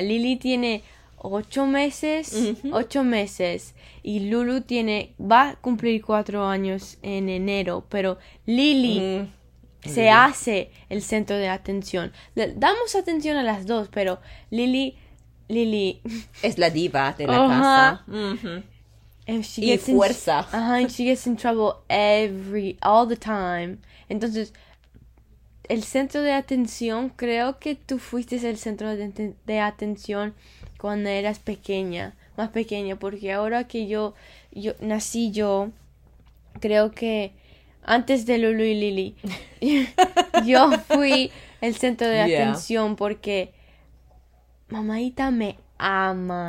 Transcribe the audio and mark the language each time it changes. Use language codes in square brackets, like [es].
[es] Lily tiene 8 meses, y Lulu va a cumplir 4 años en enero, pero Lily se Lili. hace el centro de atención. Le damos atención a las dos, pero Lily, Es la diva de la ajá. casa. [en] And she [es] Y [en] gets [es] fuerza. [en] and she gets in trouble all the time. [es] Entonces, el centro de atención, creo que tú fuiste el centro de atención cuando eras pequeña, más pequeña, porque ahora que yo nací yo, creo que antes de Lulu y Lili, yo fui el centro de atención porque mamaita me ama.